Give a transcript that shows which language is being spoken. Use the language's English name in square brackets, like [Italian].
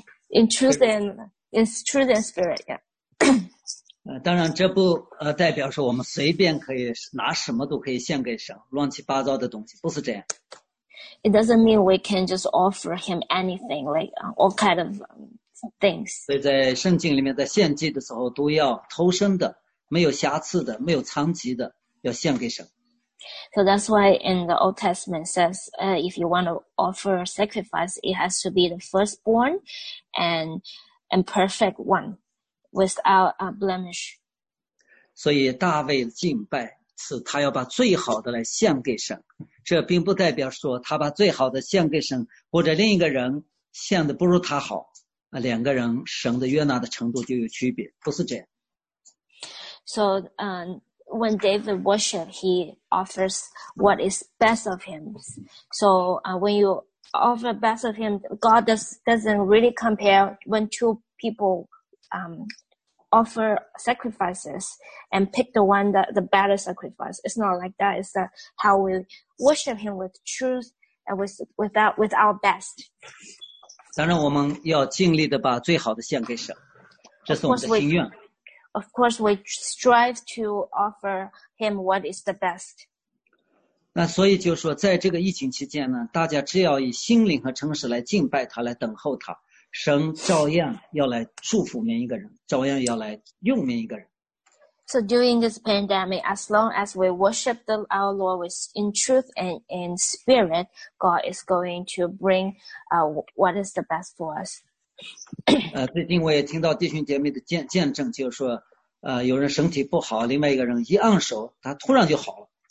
[English] It's true and spirit, yeah. [Chinese] 当然，这不代表说我们随便可以拿什么都可以献给神，乱七八糟的东西，不是这样。 [English] It doesn't mean we can just offer him anything, like all kind of things. [Chinese] 所以在圣经里面，在献祭的时候，都要投身的，没有瑕疵的，没有残疾的，要献给神。 [English] So that's why in the Old Testament says, if you want to offer sacrifice, it has to be the firstborn, and perfect one, without a blemish. [Chinese] 所以大卫敬拜是他要把最好的来献给神，这并不代表说他把最好的献给神，或者另一个人献的不如他好，两个人神的悦纳的程度就有区别，不是这样。 [English] So, when David worship, he offers what is best of him. So, when you offer best of him, God doesn't really compare when two people, offer sacrifices and pick the one that the better sacrifice. It's not like that. It's that how we worship him with truth and with our best. [Chinese] 当然我们要尽力的把最好的献给神，这是我们的心愿。 [English] Of course, we strive to offer him what is the best. [Chinese] 那所以就是说在这个疫情期间呢，大家只要以心灵和诚实来敬拜他，来等候他，神照样要来祝福每一个人，照样要来用每一个人。 [English] So during this pandemic, as long as we worship our Lord with in truth and in spirit, God is going to bring what is the best for us. [Chinese] 最近我也听到弟兄姐妹的见证，就是说，有人身体不好，另外一个人一按手，他突然就好了。